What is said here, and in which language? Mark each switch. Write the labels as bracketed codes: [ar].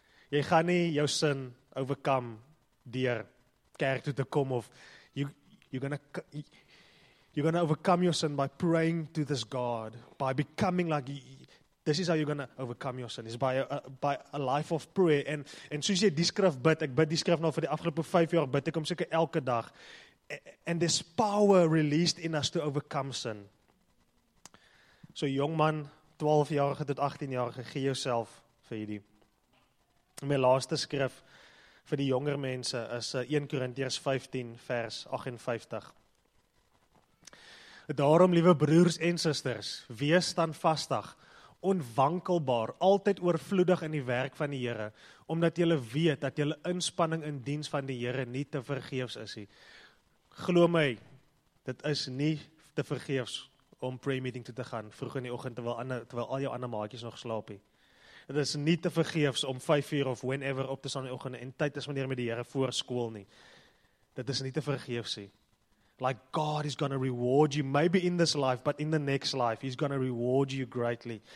[af] Jy gaan nie jou sin overcome deur kerk toe te kom of [en] you're gonna overcome your sin by praying to this God, by becoming like this is how you're gonna overcome your sin, is by a life of prayer. [af] En soos jy die skrif bid, ek bid die skrif nou vir die afgelope 5 jaar, bid ek om seker elke dag. [en] And there's power released in us to overcome sin. [af] So jong man, 12-jarige tot 18-jarige, gee jouself vir hierdie. My laaste skrif vir die jonger mense is 1 Korintiërs 15 vers 58. Daarom, liewe broers en susters, wees standvastig, onwankelbaar, altyd oorvloedig in die werk van die Here, omdat jy weet dat jy inspanning in diens van die Here nie te vergeefs is nie. Glo my, dit is nie te vergeefs om prayer meeting toe te gaan vroeg in die oggend terwyl al jou ander maatjies nog slaap nie. Dit is nie te vergeefs om 5:00 of whenever op te staan in die oggend en tyd is wanneer met die Here voor skool nie. Dit is nie te vergeefs nie. [en] Like God is going to reward you, maybe in this life, but in the next life, he's going to reward you greatly.